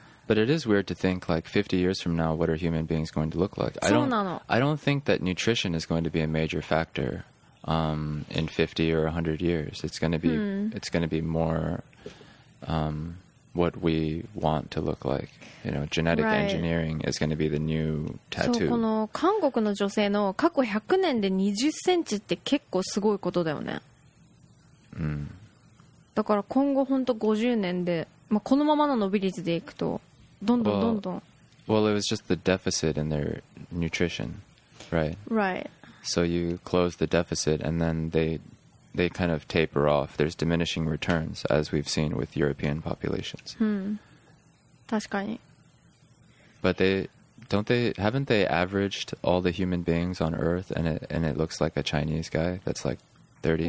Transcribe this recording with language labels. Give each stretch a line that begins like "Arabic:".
English: But it is weird to think like 50 years from now, what are human beings going to look like? I don't think that nutrition is going to be a major factor, in 50 or 100 years. It's going to be、hmm. it's going to be more, what we want to look like, you know, genetic、 right. engineering is going to be the new tattoo.
Japanese: そう、この韓国の女性の過去100年で20センチって結構すごいことだよね。うん。だから今後本当50年で、まあ、このままの伸び率でいくとどんどんどんどん。
English: Well, it was just the deficit in their nutrition, right? Right. So you close the deficit and then they kind of taper off. There's diminishing returns, as we've seen with European populations.
Japanese: Hmm. 確かに。
English: But they, don't they, haven't they averaged all the human beings on Earth and it looks like a Chinese guy that's like 30?